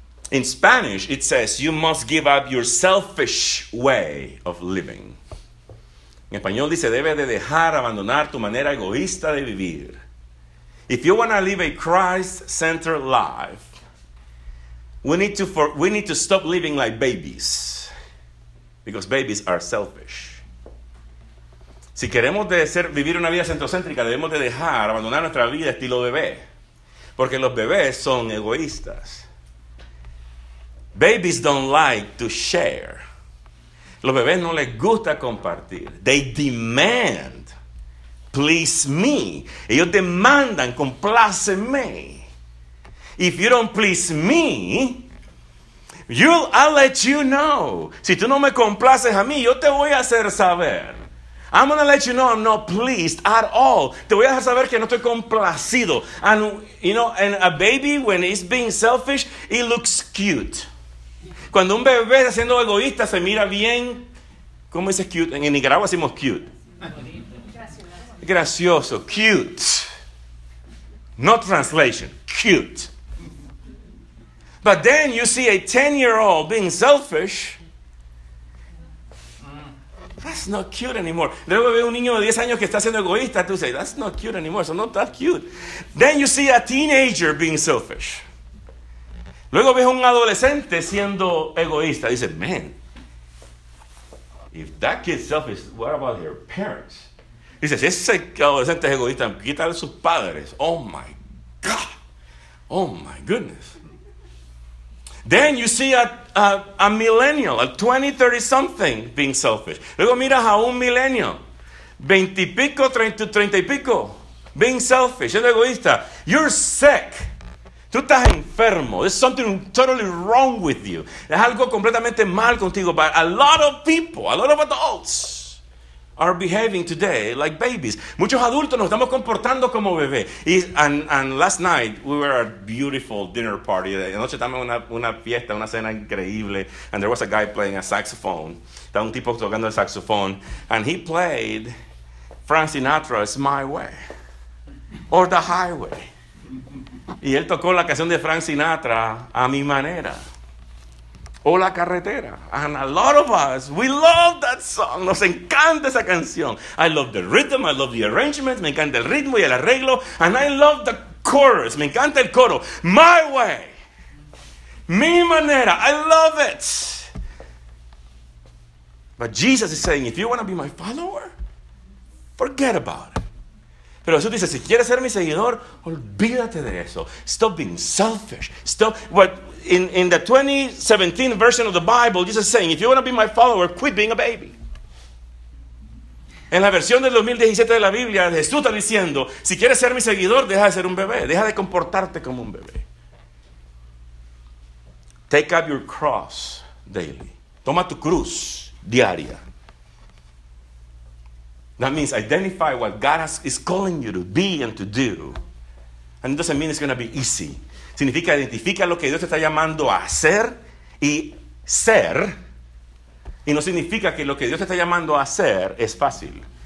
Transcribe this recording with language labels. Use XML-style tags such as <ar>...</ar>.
<en>In Spanish, it says, you must give up your selfish way of living.</en> <es>En español dice, debe de dejar, abandonar tu manera egoísta de vivir.</es> <en>If you want to live a Christ-centered life, we need to stop living like babies, because babies are selfish.</en> <es>Si queremos vivir una vida centrocéntrica, debemos de dejar, abandonar nuestra vida estilo bebé, porque los bebés son egoístas.</es> <en>Babies don't like to share.</en> <es>Los bebés no les gusta compartir.</es> <en>They demand, please me.</en> <es>Ellos demandan, compláceme.</es> <en>If you don't please me, I'll let you know.</en> <es>Si tú no me complaces a mí, yo te voy a hacer saber.</es> <en>I'm going to let you know I'm not pleased at all.</en> <es>Te voy a hacer saber que no estoy complacido.</es> <en>And, you know, and a baby, when it's being selfish, it looks cute.</en> <es>Cuando un bebé está siendo egoísta, se mira bien. ¿Cómo dices cute? En Nicaragua decimos cute. Gracioso. Cute.</es> <en>No translation.</en> <es>Cute.</es> <en>But then you see a 10-year-old being selfish. That's not cute anymore.</en> <es>Luego ve un niño de 10 años que está siendo egoísta. Tú dices,</es> <en>that's not cute anymore. So not that cute. Then you see a teenager being selfish.</en> <es>Luego ves un adolescente siendo egoísta.</es> <en>Dice, man, if that kid's selfish, what about their parents?</en> <es>Dice, si ese adolescente es egoísta, quítale a sus padres.</es> <en>Oh, my God. Oh, my goodness. Then you see a millennial, a 20, 30-something being selfish.</en> <es>Luego miras a un millennial, 20 y pico, 30 y pico,</es> <en>being selfish,</en> <es>siendo egoísta.</es> <en>You're sick.</en> <es>Tú estás enfermo.</es> <en>There's something totally wrong with you.</en> <es>Es algo completamente mal contigo.</es> <en>But a lot of people, a lot of adults, are behaving today like babies.</en> <es>Muchos adultos nos estamos comportando como bebés.</es> <en>And last night, we were at a beautiful dinner party.</en> <es>Anoche estábamos en una fiesta, una cena increíble.</es> <en>And there was a guy playing a saxophone.</en> <es>Estaba un tipo tocando el saxophone.</es> <en>And he played Frank Sinatra's My Way. Or The Highway.</en> <es>Y él tocó la canción de Frank Sinatra, A Mi Manera, o La Carretera.</es> <en>And a lot of us, we love that song.</en> <es>Nos encanta esa canción.</es> <en>I love the rhythm, I love the arrangement.</en> <es>Me encanta el ritmo y el arreglo.</es> <en>And I love the chorus.</en> <es>Me encanta el coro.</es> <en>My way,</en> <es>mi manera,</es> <en>I love it. But Jesus is saying, if you want to be my follower, forget about it.</en> <es>Pero Jesús dice, si quieres ser mi seguidor, olvídate de eso.</es> <en>Stop being selfish. Stop. What in the 2017 version of the Bible, Jesus is saying, if you want to be my follower, quit being a baby.</en> <es>En la versión del 2017 de la Biblia, Jesús está diciendo, si quieres ser mi seguidor, deja de ser un bebé. Deja de comportarte como un bebé.</es> <en>Take up your cross daily.</en> <es>Toma tu cruz diaria.</es> <en>That means identify what God is calling you to be and to do. And it doesn't mean it's going to be easy.</en> <es>Significa identifica lo que Dios te está llamando a hacer y ser. Y no significa que lo que Dios te está llamando a hacer es fácil.</es>